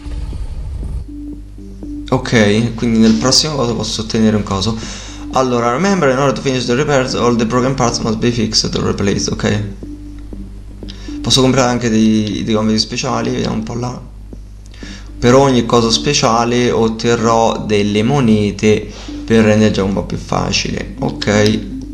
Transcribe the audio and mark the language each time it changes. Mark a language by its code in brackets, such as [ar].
[it] Yeah. Ok, quindi nel prossimo caso posso ottenere un coso. Allora, [en] remember in order to finish the repairs all the broken parts must be fixed or replaced. [it] Ok. Posso comprare anche dei gomiti speciali, vediamo un po' là. Per ogni coso speciale otterrò delle monete. Per rendere già un po' più facile. Ok.